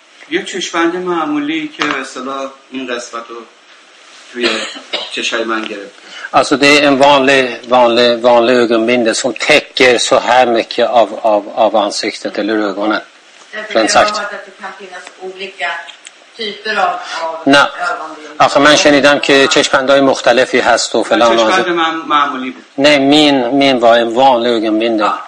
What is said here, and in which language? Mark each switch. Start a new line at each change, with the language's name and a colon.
Persian: یه چشمند معمولی که به اصطلاح این قسمت رو توی چشای من گرفت
Swedish: Alltså det är en vanlig ögonbind som täcker så här mycket av ansiktet eller ögonen. Det är för att det kan finnas olika typer av ögonbind.
Persian: آخه من شنیدم که چشمندهای مختلفی هست و فلان و چشمند من معمولی بود. نه من و این
Swedish: vanlig ögonbind.